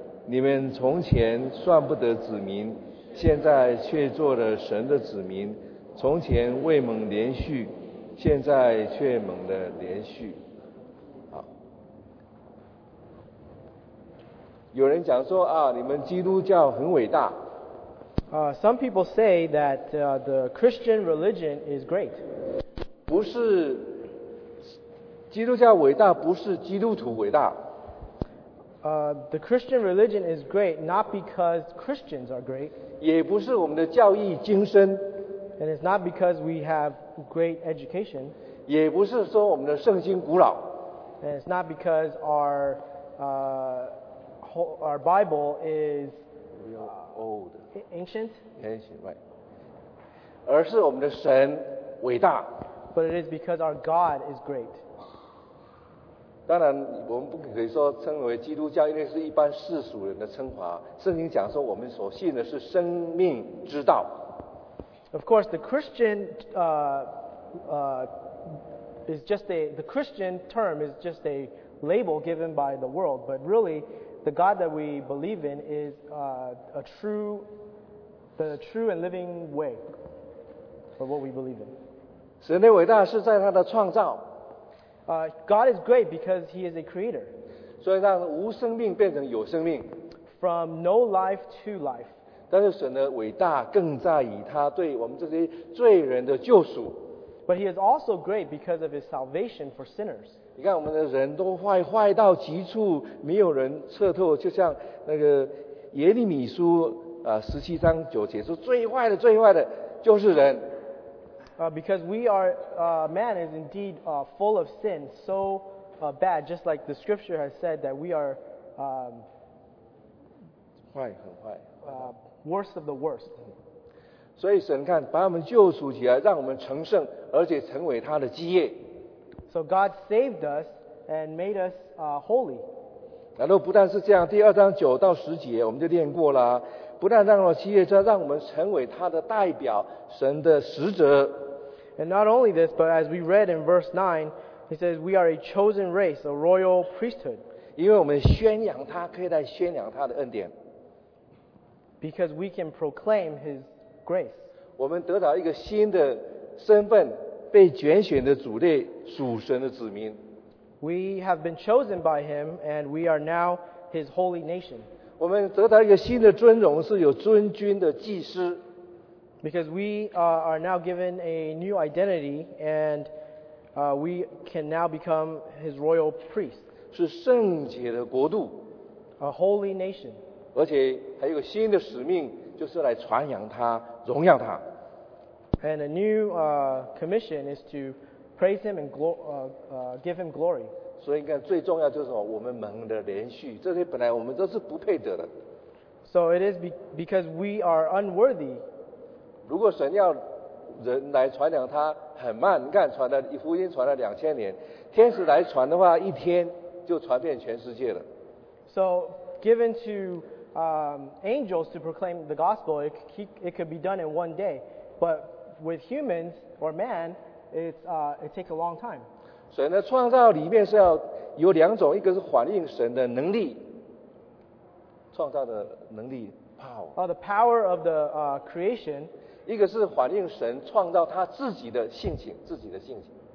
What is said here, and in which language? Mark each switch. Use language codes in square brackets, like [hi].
[zh] 你们从前算不得子民，现在却做了神的子民，从前未蒙连续，现在却蒙了连续。好，有人讲说啊，你们基督教很伟大。 [en] Some people say that the Christian religion is great. [zh] 不是基督教伟大，不是基督徒伟大。 [en] The Christian religion is great not because Christians are great. [zh] 也不是我们的教义精深。 [en] And it's not because we have great education. [zh] 也不是说我们的圣经古老。 [en] And it's not because our Bible is old. Ancient. Ancient, right. [zh] 而是我们的神伟大。 [en] But it is because our God is great. [zh] 当然我们不可以说称为基督教，因为是一般世俗人的称法。圣经讲说我们所信的是生命之道。 [en] Of course, the Christian term is just a label given by the world. But really, the God that we believe in is the true and living way for what we believe in. [zh] 神的伟大是在他的创造。 [en] God is great because He is a creator. [zh] 所以让无生命变成有生命。 [en] From no life to life. [zh] 但是神的伟大更在于他对我们这些罪人的救赎。 [en] But he is also great because of his salvation for sinners. [zh] 你看我们的人都坏，坏到极处，没有人彻透，就像那个耶利米书十七章九节说，最坏的、最坏的就是人。 [en] Because we are man is indeed full of sin, so bad, just like the scripture has said that we are [zh] 坏，很坏。 [en] Worst of the worst. [zh] 所以神看把我们救赎起来，让我们成圣，而且成为他的基业。 [en] So God saved us and made us holy. [zh] 然后不但是这样，第二章九到十节我们就练过了，不但让我们基业，这让我们成为他的代表，神的使者。 [en] And not only this, but as we read in verse 9, he says we are a chosen race, a royal priesthood. [zh] 因为我们宣扬他，可以来宣扬他的恩典。 [en] Because we can proclaim His grace. [zh] 我们得到一个新的身份，被拣选的族类，属神的子民。 [en] We have been chosen by Him, and we are now His holy nation. [zh] 我们得到一个新的尊荣，是有尊君的祭司。 [en] Because we are now given a new identity, and we can now become His royal priest. [zh] 是圣洁的国度。 [en] A holy nation. [zh] 而且还有个新的使命，就是来传扬他、荣耀他。 [en] And a new commission is to praise him and give him glory. [zh] 所以你看，最重要就是什么？我们蒙的连续，这些本来我们都是不配得的。 [en] So it is because we are unworthy. [zh] 如果神要人来传扬他，很慢。你看，传了福音传了2000年，天使来传的话，一天就传遍全世界了。 [en] So given to angels to proclaim the gospel, it could be done in one day. But with humans or man, it takes a long time. [zh] 神的创造里面是要有两种，一个是反映神的能力，创造的能力 power. [en] The power of the creation. [zh] 一个是反映神创造他自己的性情，自己的性情。